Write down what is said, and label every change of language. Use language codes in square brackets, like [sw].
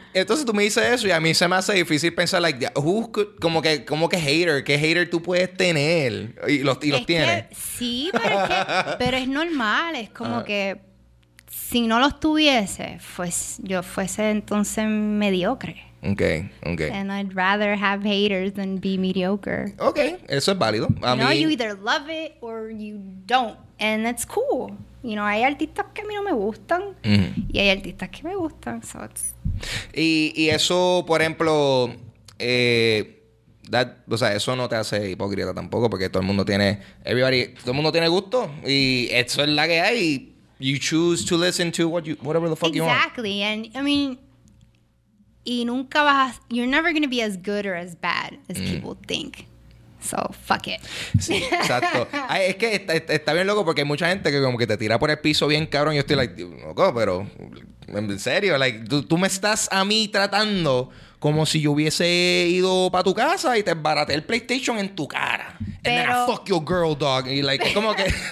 [es] Entonces tú me dices eso y a mí se me hace difícil pensar, like, como que hater, qué hater tú puedes tener y los tienes. Sí, pero es normal, es como que si no los tuviese, pues yo fuese entonces mediocre. [en] Okay. And I'd rather have haters than be mediocre. [es] Okay, eso es válido. [en] You know, you either love it or you don't. And that's cool. You know, [es] hay artistas que a mí no me gustan. Y hay artistas que me gustan. [en] So it's... [es] Y eso, por ejemplo, o sea, eso no te hace hipócrita tampoco, porque todo el mundo tiene gusto. Y eso es la que hay. [en] You choose to listen to whatever the fuck exactly. you want. Exactly. And, I mean, [es] y nunca vas, [en] you're never going to be as good or as bad as people think. So, fuck it. [es] Sí, exacto. Es que está bien loco porque hay mucha gente que como que te tira por el piso bien cabrón. Y yo estoy like, loco, pero en serio. Like, tú me estás a mí tratando como si yo hubiese ido para tu casa y te embaraté el PlayStation en tu cara. Pero, [en] and then I fuck your girl, dog. Y like, [es] es como que...